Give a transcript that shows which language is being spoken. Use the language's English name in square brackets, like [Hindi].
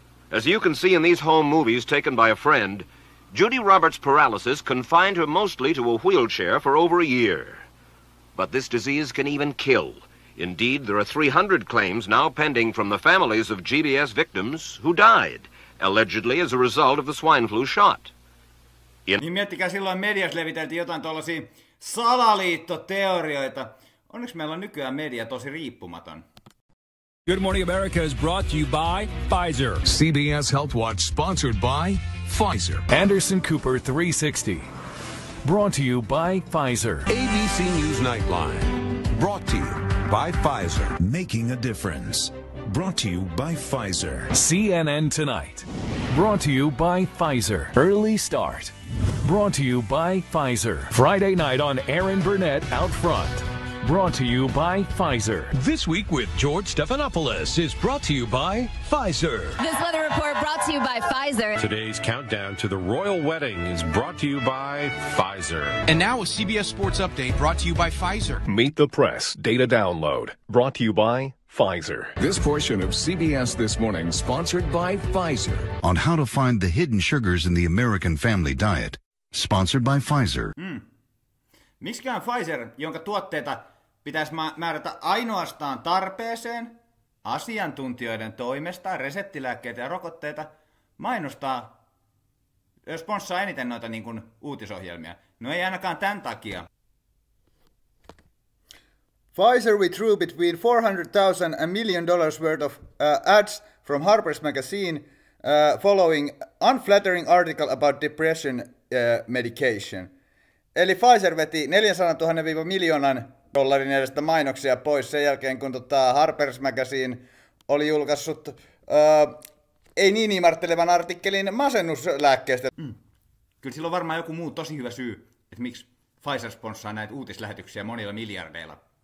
[English] As you can see in these home movies taken by a friend, Judy Roberts' paralysis confined her mostly to a wheelchair for over a year. But this disease can even kill. Indeed, there are 300 claims now pending from the families of GBS victims who died, allegedly as a result of the swine flu shot. [Finnish] Niin miettikää, silloin mediassa leviteltiin jotain tuollaisia salaliittoteorioita. Onneksi meillä on nykyään media tosi riippumaton. [English] Good Morning America is brought to you by Pfizer. CBS Health Watch sponsored by Pfizer. Anderson Cooper 360. Brought to you by Pfizer. ABC News Nightline. Brought to you by Pfizer. Making a difference. Brought to you by Pfizer. CNN Tonight. Brought to you by Pfizer. Early Start. Brought to you by Pfizer. Friday night on Aaron Burnett Out Front. Brought to you by Pfizer. This Week with George Stephanopoulos is brought to you by Pfizer. This weather report brought to you by Pfizer. Today's countdown to the royal wedding is brought to you by Pfizer. And now a CBS Sports Update brought to you by Pfizer. Meet the Press data download brought to you by Pfizer. This portion of CBS This Morning sponsored by Pfizer. On how to find the hidden sugars in the American family diet. Sponsored by Pfizer. [Finnish] Miksikään Pfizer, jonka tuotteita pitäisi määrätä ainoastaan tarpeeseen, asiantuntijoiden toimesta, reseptilääkkeitä ja rokotteita, mainostaa ja sponssaa eniten noita niin kuin uutisohjelmia. No ei ainakaan tämän takia. [English] Pfizer withdrew between $400,000 and $1 million worth of ads from Harper's Magazine following unflattering article about depression medication. [Finnish] Eli Pfizer veti 400,000-1,000,000 dollarin edestä mainoksia pois sen jälkeen, kun Harper's Magazine oli julkaissut ei niin imartelevan artikkelin masennuslääkkeestä. Mm. Kyllä sillä on varmaan joku muu tosi hyvä syy, että miksi Pfizer sponssaa näitä uutislähetyksiä monilla miljardeilla.